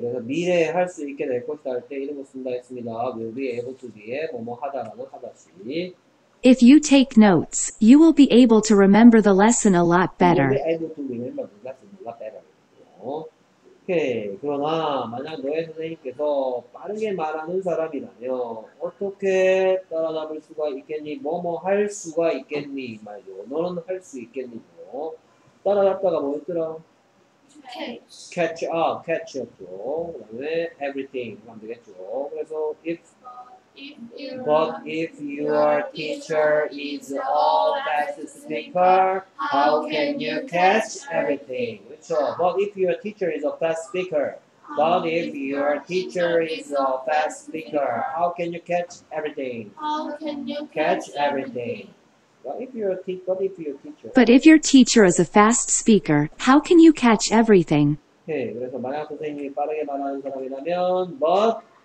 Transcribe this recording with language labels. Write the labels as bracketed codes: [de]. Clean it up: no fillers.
[ko] 그래서 미래에 할 수 있게 될 것이다 할 때 이런 거 쓴다 했습니다. [en] Will be able to be에 [ko] 뭐뭐 하다라고 하다시. [en] If you take notes, you will be able to remember the lesson a lot better. You will be able to remember the lesson a lot better. Okay. [ko] 그러나 만약 너의 선생님께서 빠르게 말하는 사람이라면 어떻게 따라잡을 수가 있겠니? 뭐뭐 할 수가 있겠니? 말이죠. 너는 할 수 있겠니? 따라잡다가 뭐였더라? [en] Catch up. [ko] 그다음에 everything 하면 되겠죠. 그래서 if [en] But if your teacher is all fast speaker, how can you catch everything? [ko] 그렇죠. [en] But if your teacher is a fast speaker, but if your teacher is a fast speaker, how can you catch everything? How can you catch everything? But if your teacher is a fast speaker, how can you catch everything? Okay. [ko] 그래서 만약 선생님이 빠르게 말하는 사람이라면, but